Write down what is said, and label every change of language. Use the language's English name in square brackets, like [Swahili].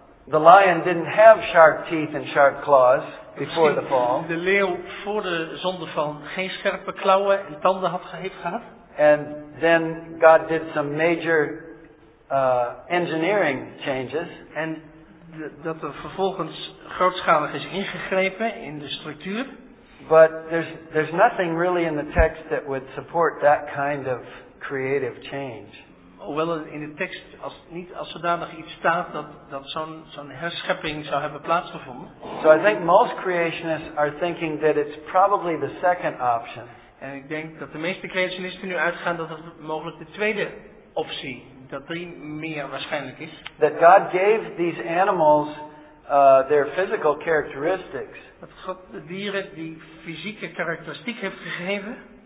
[English] The lion didn't have sharp teeth and sharp claws before the fall. [Dutch] De leeuw voor de zondeval geen scherpe klauwen en tanden heeft gehad. [English] And then God did some major engineering changes. [Dutch] En dat er vervolgens grootschalig is ingegrepen in de structuur. [English] But there's nothing really in the text that would support that kind of creative change. [Dutch] Hoewel in de tekst als zodanig iets staat dat zo'n herschepping zou hebben plaatsgevonden. [English] So I think most creationists are thinking that it's probably the second option. [Dutch] En ik denk dat de meeste creationisten nu uitgaan dat het mogelijk de tweede optie, dat die meer waarschijnlijk is. [English] That God gave these animals their physical characteristics. [Dutch] Dat God de dieren die fysieke karakteristiek heeft gegeven.